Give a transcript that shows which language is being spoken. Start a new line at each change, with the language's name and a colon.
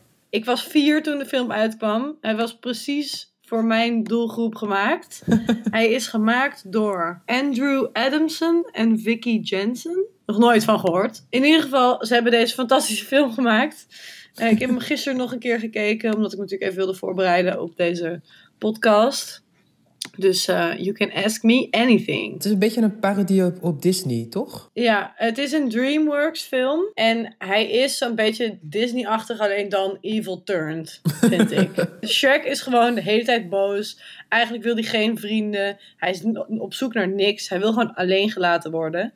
Dutch: Ik was 4 toen de film uitkwam. Hij was precies voor mijn doelgroep gemaakt. Hij is gemaakt door Andrew Adamson en Vicky Jensen. Nog nooit van gehoord. In ieder geval, ze hebben deze fantastische film gemaakt. Ik heb hem gisteren nog een keer gekeken, omdat ik natuurlijk even wilde voorbereiden op deze podcast.
English: Dus you can ask me anything.
Dutch: Het is een beetje een parodie op Disney, toch? Ja, het is een DreamWorks film. En hij is zo'n beetje Disney-achtig, alleen dan evil turned, vind ik. Shrek is gewoon de hele tijd boos. Eigenlijk wil hij geen vrienden. Hij is op zoek naar niks. Hij wil gewoon alleen gelaten worden.